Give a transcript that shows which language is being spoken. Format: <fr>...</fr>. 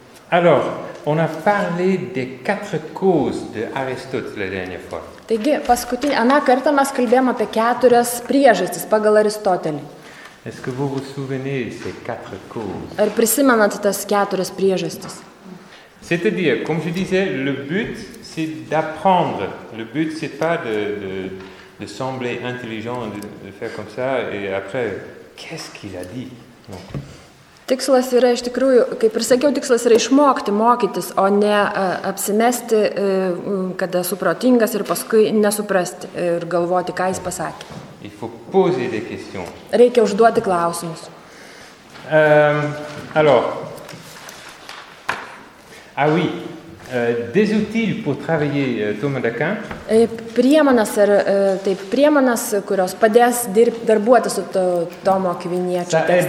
<fr>Alors, on a parlé des quatre causes de Aristote la dernière fois.</fr> <lt>Taigi, paskutinį aną kartą mes kalbėjom apie keturias priežastis pagal Aristotelį.</lt> <fr>Est-ce que vous vous souvenez ces quatre causes?</fr> <lt>Ar prisimenat tas keturias priežastis?</lt> <fr>C'est-à-dire, comme je disais, le but c'est d'apprendre. Le but c'est pas de sembler intelligent, de faire comme ça et après qu'est-ce qu'il a dit? Non.</fr> <lt>Tikslas yra iš tikrųjų, kaip ir sakiau, tikslas yra išmokti, mokytis, o ne apsimesti, kad esu protingas ir paskui nesuprasti ir galvoti, ką jis pasakė.</lt> <fr>Il faut poser des questions.</fr> <lt>Reikia užduoti klausimus.</lt> <fr>Alors. Ah oui. Des outils pour travailler Thomas d'Aquin.</fr> <lt>Priemonės ir taip priemonės, kurios padės darbuotis su Tomo Akviniečio tekstais.</lt>